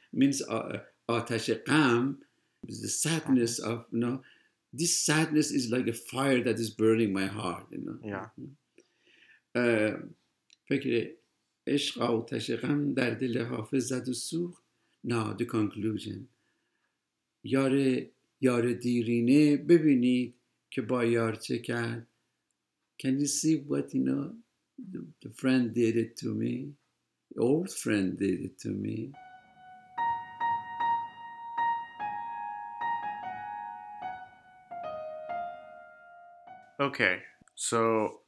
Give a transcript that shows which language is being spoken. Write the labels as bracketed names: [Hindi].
[English] Means [Persian] آتش غم, [English] the sadness of, you know, this sadness is like a fire that is burning my heart. You know. Yeah. [Persian] فکر عشق و تشقم در دل حافظ زد و سوخت. [English] Now the conclusion. [Persian] یار دیرینه ببینید که با یار چه کرد. [English] Can you see what, you know, the friend did it to me? The old friend did it to me. Okay. So,